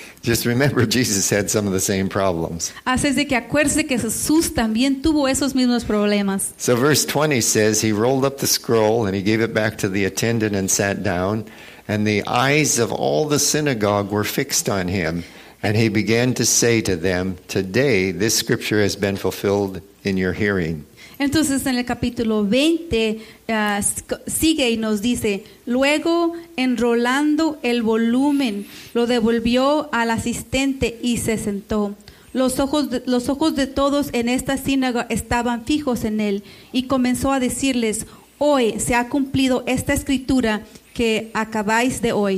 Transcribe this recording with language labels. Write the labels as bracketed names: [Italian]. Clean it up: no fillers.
[English] Just remember, Jesus had some of the same problems. [Spanish] Haces de que acuerde que Jesús también tuvo esos mismos problemas. [English] So verse 20 says he rolled up the scroll and he gave it back to the attendant and sat down, and the eyes of all the synagogue were fixed on him, and he began to say to them, "Today this scripture has been fulfilled in your hearing." [Spanish] Entonces en el capítulo 20 sigue y nos dice, luego enrollando el volumen lo devolvió al asistente y se sentó. Los ojos de todos en esta sinagoga estaban fijos en él y comenzó a decirles, hoy se ha cumplido esta escritura que acabáis de